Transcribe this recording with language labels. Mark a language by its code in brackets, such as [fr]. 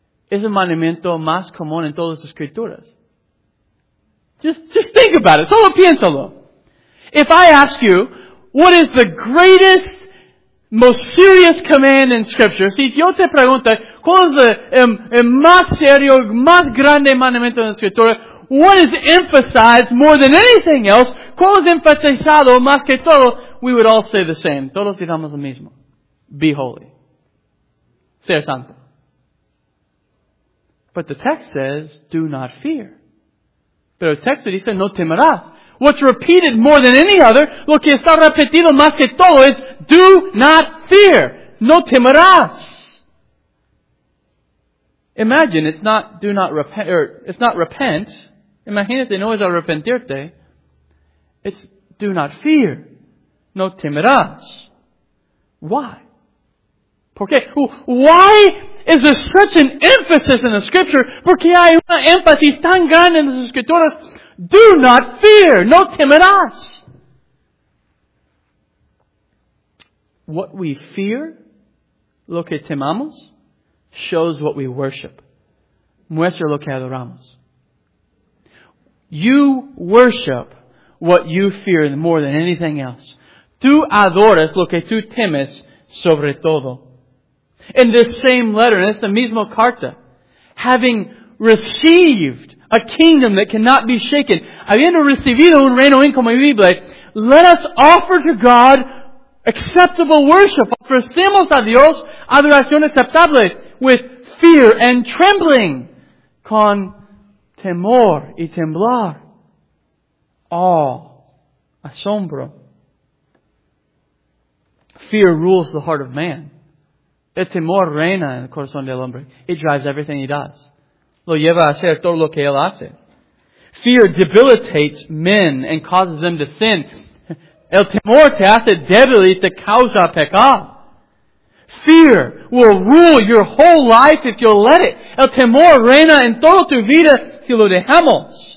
[es] Es el mandamiento más común en todas las Escrituras. [en] Just think about it. [es] Solo piénsalo. [en] If I ask you, what is the greatest, most serious command in Scripture? [es] Si yo te pregunto, ¿cuál es el más serio, más grande mandamiento en la Escritura? [en] What is emphasized more than anything else? [es] ¿Cuál es enfatizado más que todo? [en] We would all say the same. [es] Todos diríamos lo mismo. [en] Be holy. [es] Ser santo. [en] But the text says, do not fear. [es] Pero el texto dice, no temerás. [en] What's repeated more than any other, [es] lo que está repetido más que todo es, [en] do not fear. [es] No temerás. [en] Imagine, it's not do not repent, or it's not repent. [es] Imagínate, no es arrepentirte. [en] It's do not fear. [es] No temerás. [en] Why? Okay, why is there such an emphasis in the Scripture? [es] Porque hay una énfasis tan grande en las Escrituras. [en] Do not fear, [es] no temerás. [en] What we fear, [es] lo que temamos, [en] shows what we worship. [es] Muestra lo que adoramos. [en] You worship what you fear more than anything else. [es] Tú adoras lo que tú temes sobre todo. [en] In this same letter, in this [es] mismo carta, [en] having received a kingdom that cannot be shaken, [es] habiendo recibido un reino incomovible, [en] let us offer to God acceptable worship. [es] Ofrecemos a Dios adoración aceptable [en] with fear and trembling, [es] con temor y temblar, awe, asombro. [en] Fear rules the heart of man. [es] El temor reina en el corazón del hombre. [en] It drives everything he does. [es] Lo lleva a hacer todo lo que él hace. [en] Fear debilitates men and causes them to sin. [es] El temor te hace débil y te causa pecado. [en] Fear will rule your whole life if you'll let it. [es] El temor reina en toda tu vida si lo dejamos.